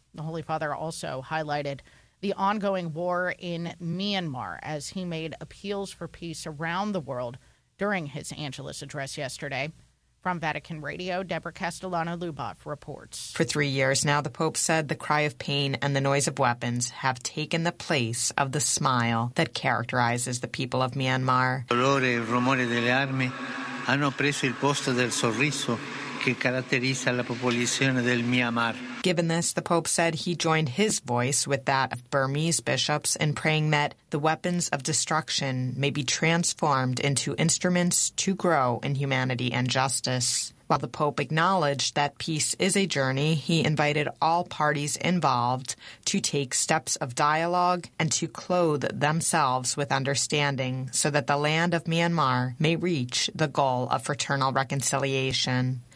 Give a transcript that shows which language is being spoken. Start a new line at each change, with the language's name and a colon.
English: The Holy Father also highlighted the ongoing war in Myanmar as he made appeals for peace around the world during his Angelus address yesterday. From Vatican Radio, Deborah Castellano-Luboff reports. For 3 years now, the Pope said the cry of pain and the noise of weapons have taken the place of the smile that characterizes the people of Myanmar.
Italian: Il dolore e il rumore delle armi hanno preso il posto del sorriso che caratterizza la popolazione del Myanmar.
English: Given this, the Pope said he joined his voice with that of Burmese bishops in praying that the weapons of destruction may be transformed into instruments to grow in humanity and justice. While the Pope acknowledged that peace is a journey, he invited all parties involved to take steps of dialogue and to clothe themselves with understanding so that the land of Myanmar may reach the goal of fraternal reconciliation.